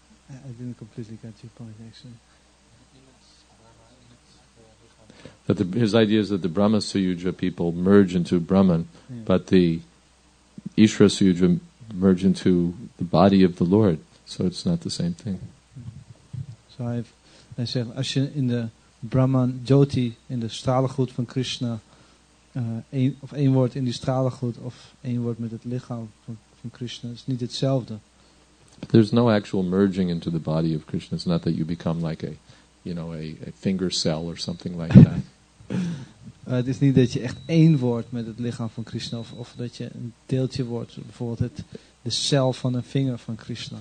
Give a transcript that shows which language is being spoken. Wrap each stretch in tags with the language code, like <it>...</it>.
<en>I didn't completely get your point, actually. That his idea is that the Brahma Sayurja people merge into Brahman, yeah. But the Ishvara Sayurja merge into the body of the Lord. So it's not the same thing. So I said, as you in the Brahman Jyoti</en> <nl>in de stralengoed van Krishna, één woord in die stralengoed of één woord met het lichaam van Krishna is niet hetzelfde.</nl> <en>But there's no actual merging into the body of Krishna. It's not that you become like a finger cell or something like that.</en> <nl>Het is niet dat je echt één wordt met het lichaam van Krishna of dat je een deeltje wordt, bijvoorbeeld de cel van een vinger van Krishna.</nl>